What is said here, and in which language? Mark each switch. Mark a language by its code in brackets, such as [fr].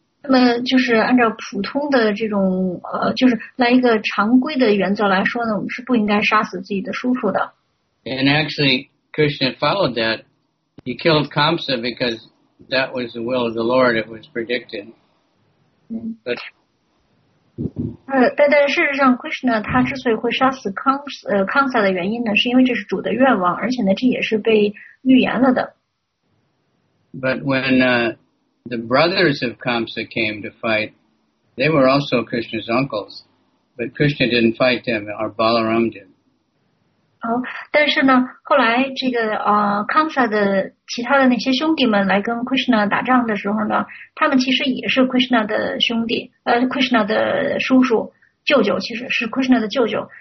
[zh] 那么就是按照普通的这种就是来一个常规的原则来说呢，我们是不应该杀死自己的叔叔的。 [en] And actually, Krishna followed that. He killed Kamsa because that was the will of the Lord. It was predicted. But [zh] 但事实上 ，Krishna 他之所以会杀死康萨的原因呢，是因为这是主的愿望，而且呢，这也是被预言了的。 [en] But when the brothers of Kamsa came to fight, they were also Krishna's uncles, but Krishna didn't fight them, or Balaram did. [zh] 但是呢，后来这个康萨的其他的那些兄弟们来跟 Krishna 打仗的时候呢，他们其实也是 Krishna 的兄弟，Krishna 的叔叔、舅舅，其实是 Krishna 的舅舅。